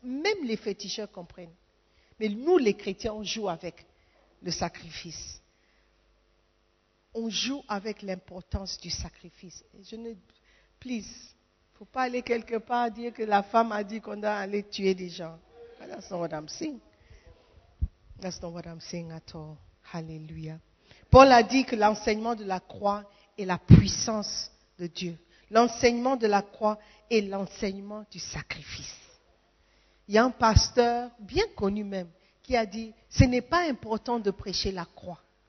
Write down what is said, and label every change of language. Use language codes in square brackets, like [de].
[fr] Même les féticheurs comprennent. Mais nous, les chrétiens, on joue avec le sacrifice. On joue avec l'importance du sacrifice. Please, il ne faut pas aller quelque part dire que la femme a dit qu'on doit aller tuer des gens. [en] That's not what I'm saying. That's not what I'm saying at all. Hallelujah. [fr] Paul a dit que l'enseignement de la croix est la puissance de Dieu. L'enseignement de la croix est l'enseignement du sacrifice. Il y a un pasteur, bien connu même, qui a dit, ce n'est pas important de prêcher la croix.